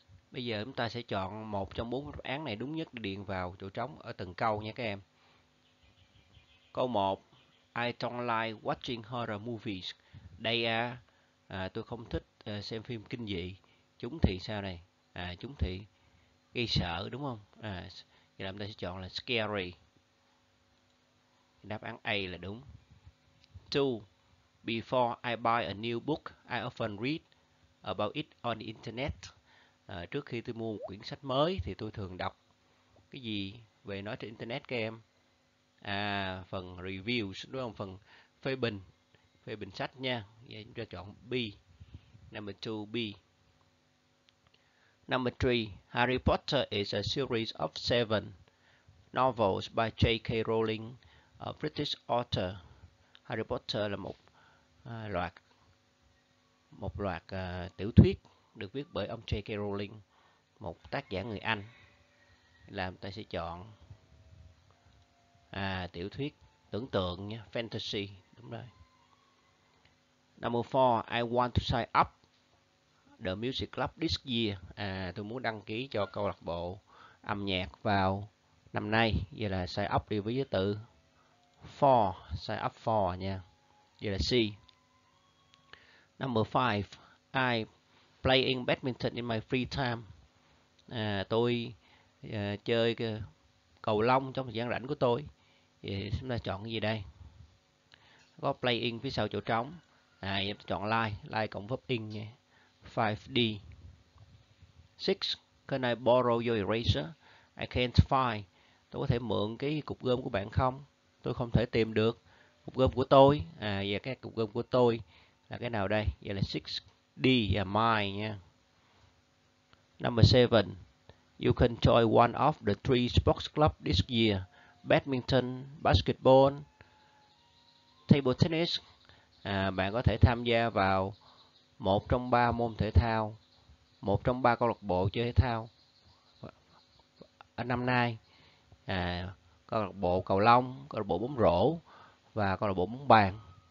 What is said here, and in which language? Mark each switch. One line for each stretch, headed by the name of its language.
Vietnamese: Bây giờ chúng ta sẽ chọn một trong bốn đáp án này đúng nhất để điền vào chỗ trống ở từng câu nha các em. Câu 1.
English: I don't like watching horror movies.
Vietnamese: Đây à, tôi không thích xem phim kinh dị. Chúng thì sao này? À, chúng thì gây sợ đúng không? À, vậy là chúng ta sẽ chọn là scary. Đáp án A là đúng. 2.
English: Before I buy a new book, I often read about it on the internet.
Vietnamese: Trước khi tôi mua một quyển sách mới thì tôi thường đọc cái gì về nó trên internet các em? À, phần reviews đúng không? Phần phê bình sách nha. Vậy chúng ta chọn B.
English: Number 2 B. Number 3, Harry Potter is a series of 7 novels by J.K. Rowling, a British author.
Vietnamese: Harry Potter là một loạt tiểu thuyết được viết bởi ông J.K. Rowling, một tác giả người Anh. Làm ta sẽ chọn tiểu thuyết tưởng tượng nhé, fantasy, đúng rồi.
English: Number 4, I want to sign up the music club this year.
Vietnamese: Tôi muốn đăng ký cho câu lạc bộ âm nhạc vào năm nay. Giờ là sign up đi với giới tự for, sign up for nha. Giờ là C.
English: Number 5, I playing badminton in my free time.
Vietnamese: Tôi chơi cầu lông trong thời gian rảnh của tôi. Vậy chúng ta chọn cái gì đây? Có playing phía sau chỗ trống. Chọn like, like cộng với in nha.
English: 5D. 6. Can I borrow your eraser? I can't find.
Vietnamese: Tôi có thể mượn cái cục gom của bạn không? Tôi không thể tìm được cục gom của tôi. Và cái cục gom của tôi là cái nào đây? Vậy là 6D và my nha.
English: Number 7. You can join one of the three sports clubs this year. Badminton, basketball, table tennis.
Vietnamese: Bạn có thể tham gia vào một trong ba môn thể thao, một trong ba câu lạc bộ chơi thể thao năm nay. Câu lạc bộ cầu lông, câu lạc bộ bóng rổ và câu lạc bộ bóng bàn.